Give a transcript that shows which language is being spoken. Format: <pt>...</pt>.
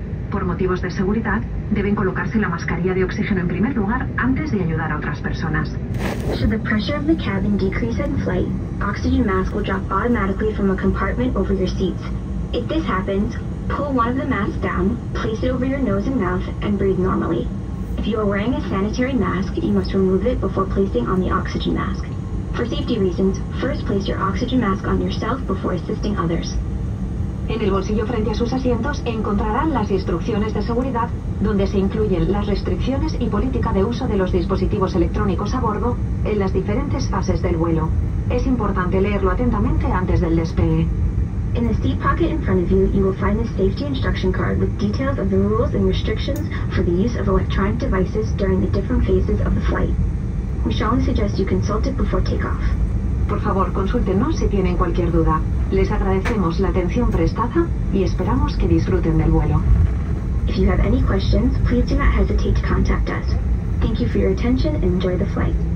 <es>Por motivos de seguridad, deben colocarse la mascarilla de oxígeno en primer lugar antes de ayudar a otras personas.</es> <en>Should the pressure of the cabin decrease in flight, oxygen masks will drop automatically from a compartment over your seats. If this happens, pull one of the masks down, place it over your nose and mouth, and breathe normally. If you are wearing a sanitary mask, you must remove it before placing on the oxygen mask. For safety reasons, first place your oxygen mask on yourself before assisting others.</en> <es>En el bolsillo frente a sus asientos encontrarán las instrucciones de seguridad, donde se incluyen las restricciones y política de uso de los dispositivos electrónicos a bordo en las diferentes fases del vuelo. Es importante leerlo atentamente antes del despegue.</es> <en>In the seat pocket in front of you, you will find the safety instruction card with details of the rules and restrictions for the use of electronic devices during the different phases of the flight. We strongly suggest you consult it before takeoff.</en> <es>Por favor, consúltenos si tienen cualquier duda. Les agradecemos la atención prestada y esperamos que disfruten del vuelo.</es> <en>If you have any questions, please do not hesitate to contact us. Thank you for your attention and enjoy the flight.</en>